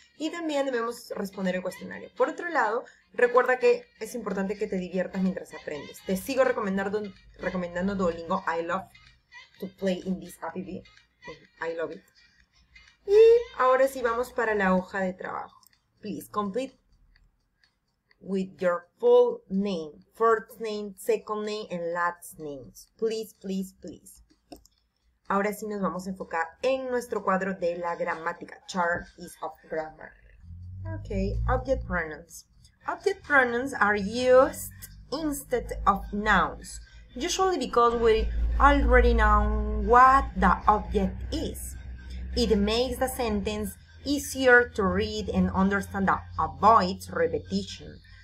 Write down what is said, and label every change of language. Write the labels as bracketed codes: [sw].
[es] Y también debemos responder el cuestionario. Por otro lado, recuerda que es importante que te diviertas mientras aprendes. Te sigo recomendando [en] Duolingo. I love to play in this app. I love it. [es] Y ahora sí vamos para la hoja de trabajo. [en] Please complete with your full name, first name, second name, and last names. Please, please, please. [es] Ahora sí nos vamos a enfocar en nuestro cuadro de la gramática. [en] Chart is of grammar. Okay, object pronouns. Object pronouns are used instead of nouns, usually because we already know what the object is. It makes the sentence easier to read and understand, that avoids repetition.